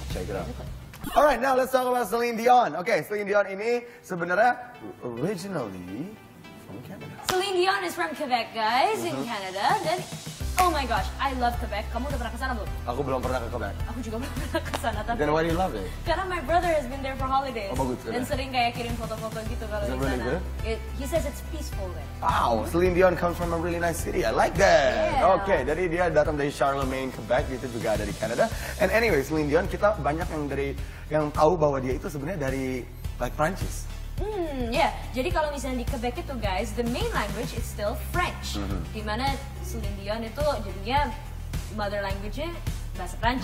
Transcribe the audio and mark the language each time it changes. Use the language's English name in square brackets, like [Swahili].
[English] Check it out. Alright, now let's talk about Celine Dion. Okay, Celine Dion [Indonesian] ini sebenarnya [English] originally from Canada. Celine Dion is from Quebec guys, in Canada. Dan oh my gosh, I love Quebec. [Indonesian] Kamu udah pernah kesana belum? Aku belum pernah ke Quebec. Aku juga belum pernah kesana, tapi... [English] Then why do you love it? [Indonesian] Karena [English] my brother has been there for holidays. [Indonesian] Oh, bagus. Dan sering kayak kirim foto-foto gitu kalau disana. [English] Is it really good? He says it's peaceful there. Wow, Celine Dion comes from a really nice city. I like that. Yeah. [Indonesian] Okay, jadi dia datang dari Charlemagne, Quebec, itu juga ada di Canada. [English] And anyway, [Indonesian] Celine Dion, kita banyak yang tahu bahwa dia itu sebenarnya dari, like, Prancis. Jadi kalau misalnya di Quebec itu guys, [English] the main language is still French. [Indonesian] Di mana Celine Dion itu jadinya mother language-nya bahasa Prancis.